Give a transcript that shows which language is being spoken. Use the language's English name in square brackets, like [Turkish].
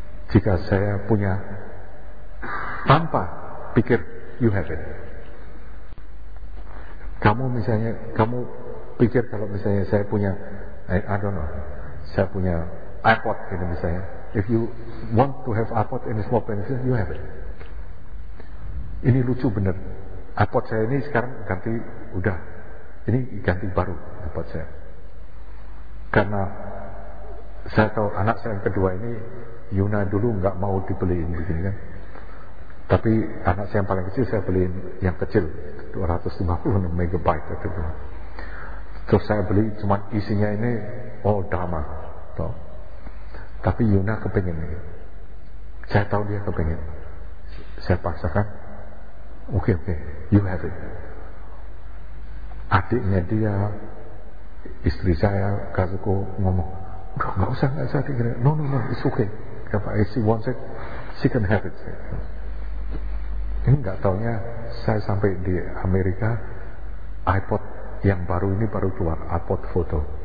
[Indonesian] Jika saya punya, tanpa pikir, [English] you have it. [Indonesian] Kamu misalnya, kamu pikir kalau misalnya saya punya, [English] I don't know, [Indonesian] saya punya iPod ini misalnya. [English] If you want to have iPod in a small place, you have it. [Indonesian] Ini lucu benar. iPod saya ini sekarang ganti, udah. Ini ganti baru iPod saya. Karena saya tahu anak saya yang kedua ini, Yuna dulu enggak mau dibeliin begini kan. Tapi anak saya yang paling kecil, saya beliin yang kecil, 256 megabyte itu. Terus saya beli, cuma isinya ini [English] all drama, [Indonesian] toh. Tapi Yuna kepingin ini. Saya tahu dia kepingin. Saya paksakan. [English] Okay, you have it. [Indonesian] Adiknya dia, istri saya, Kazuko ngomong, udah gak usah, gak usah. [English] No, it's okay. [Indonesian] Kenapa? [English] If she wants it, she can have it. [Indonesian] Ini gak taunya saya sampai di Amerika, iPod yang baru ini baru keluar, iPod Photo.